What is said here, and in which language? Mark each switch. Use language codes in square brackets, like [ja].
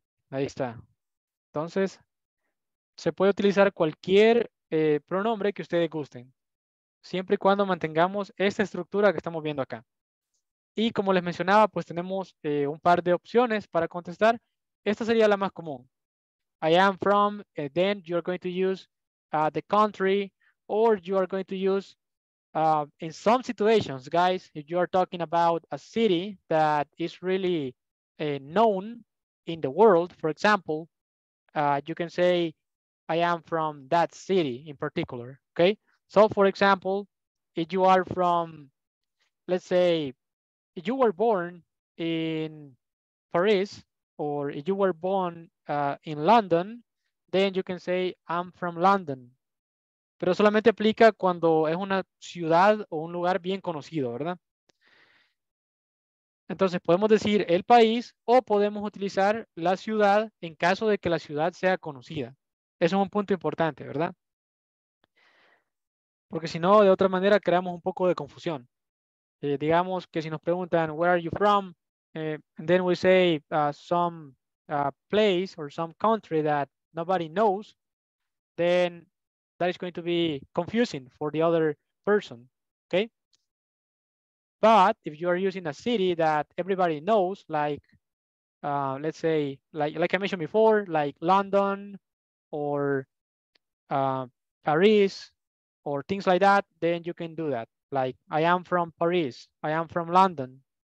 [es] Ahí está. Entonces, se puede utilizar cualquier pronombre que ustedes gusten, siempre y cuando mantengamos esta estructura que estamos viendo acá. Y como les mencionaba, pues tenemos un par de opciones para contestar. Esta sería la más común. [en] I am from, and then you're going to use the country, or you are going to use, in some situations, guys, if you are talking about a city that is really known in the world, for example, you can say, I am from that city in particular, okay? So for example, if you are from, let's say, if you were born in Paris, or if you were born in London, then you can say, I'm from London. [es] Pero solamente aplica cuando es una ciudad o un lugar bien conocido, ¿verdad? Entonces podemos decir el país o podemos utilizar la ciudad en caso de que la ciudad sea conocida. Eso es un punto importante, ¿verdad? Porque si no, de otra manera creamos un poco de confusión. Digamos que si nos preguntan, [en] where are you from? And then we say some place or some country that nobody knows, then that is going to be confusing for the other person, okay? But if you are using a city that everybody knows, like, let's say, like I mentioned before, like London or Paris or things like that, then you can do that. Like, I am from Paris, I am from London,